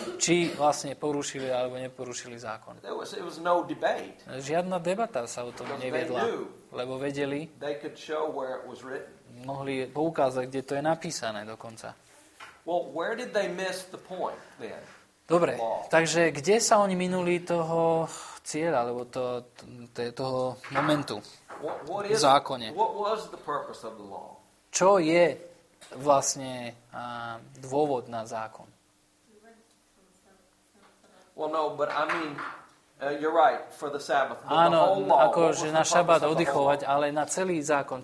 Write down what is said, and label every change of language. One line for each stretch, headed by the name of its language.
Slovak: Či vlastne porušili alebo neporušili zákon.
English: There was no debate.
Slovak: Žiadna debata sa o tom neviedla. Lebo vedeli.
English: They could show where it was written.
Slovak: Mohli poukázať, kde to je napísané dokonca.
English: Well, where did they miss the point then?
Slovak: Dobre. Takže kde sa oni minuli toho cieľa alebo toho momentu v zákone?
English: What was the purpose of the law?
Slovak: Čo je vlastne dôvod na zákon?
English: Well, no, but I mean, you're right, for the Sabbath.
Slovak: Áno, akože na šabat oddychovať, ale na celý zákon.